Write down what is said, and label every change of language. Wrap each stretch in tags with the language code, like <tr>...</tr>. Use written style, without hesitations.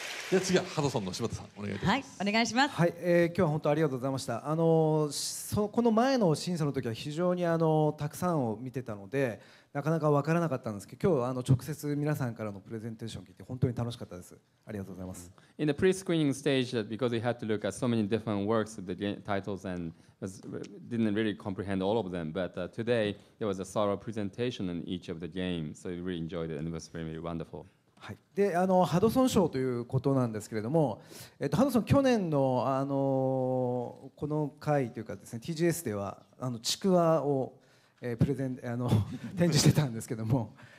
<ja>じゃあ次はハドソンの柴田さんお願いします。はい、お願いします。はい、今日は本当にありがとうございました。この前の審査の時は非常にたくさんを見てたのでなかなか分からなかったんですけど、今日は直接皆さんからのプレゼンテーションを聞いて本当に楽しかったです。ありがとうございます。</ja> <en>In the pre-screening stage, because we had to look at so many different works, the titles, and didn't really comprehend all of them, but today there was a thorough presentation on each of the games, so we really enjoyed it and it was really wonderful.</en> <ja>はい、でハドソン賞ということなんですけれども、ハドソン去年 の, この回というかですね TGS ではちくわを、プレゼン展示してたんですけども、</ja>